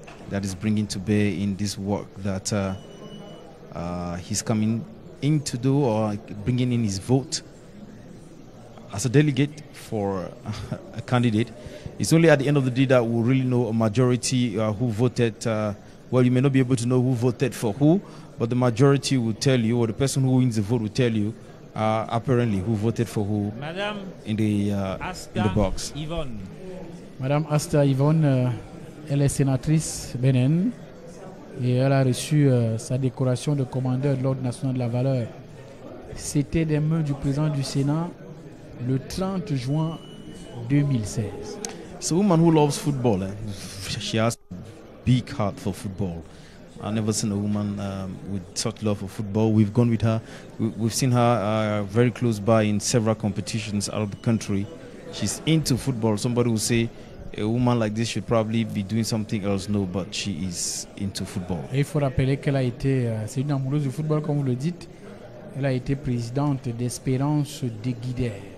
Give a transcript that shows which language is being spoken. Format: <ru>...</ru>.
<en>that is bringing to bear in this work that he's coming in to do, or bringing in his vote as a delegate for a candidate. It's only at the end of the day that we'll really know a majority who voted. You may not be able to know who voted for who, but the majority will tell you, or the person who wins the vote will tell you, apparently, who voted for who.</en> <fr>Madame</fr> <en>in the in the box.</en> <fr>Yvonne. Madame Asta Yvonne, elle est sénatrice Bénin, et elle a reçu sa décoration de commandeur de l'Ordre national de la valeur. C'était des mains du président du Sénat le 30 juin 2016.</fr> <en>So, a woman who loves football, she has a big heart for football. I've never seen a woman with such love for football. We've gone with her. We've seen her very close by in several competitions out of the country. She's into football. Somebody will say a woman like this should probably be doing something else. No, but she is into football.</en> <fr>Il faut rappeler qu'elle a été, c'est une amoureuse du football, comme vous le dites. Elle a été présidente d'Espérance de Guider.</fr>